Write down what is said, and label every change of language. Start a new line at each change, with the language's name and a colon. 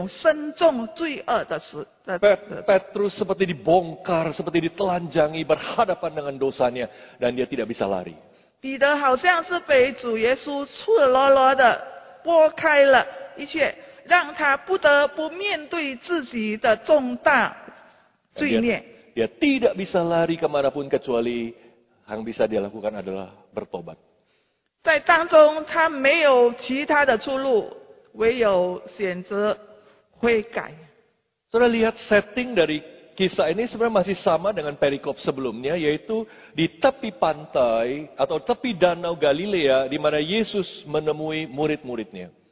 Chinese: 因为在这场手术当中，主耶稣用一个非常巧妙的手法，步骤，把这个彼得引到他面对他自己这种深重罪恶的时。Petrus
Indonesian: seperti dibongkar, seperti ditelanjangi berhadapan dengan dosanya, dan dia tidak bisa lari.
Chinese: 彼得好像是被主耶稣赤裸裸的剥开了一切，让他不得不面对自己的重大罪孽。
Indonesian: Dia tidak bisa lari kemana pun kecuali yang bisa dia lakukan adalah bertobat.
Chinese: 在当中他没有其他的出路，唯有选择悔改。
Indonesian: Saudara, lihat setting dari kisah ini sebenarnya masih sama dengan perikop sebelumnya, yaitu di tepi pantai atau tepi danau Galilea di mana Yesus menemui murid-muridnya.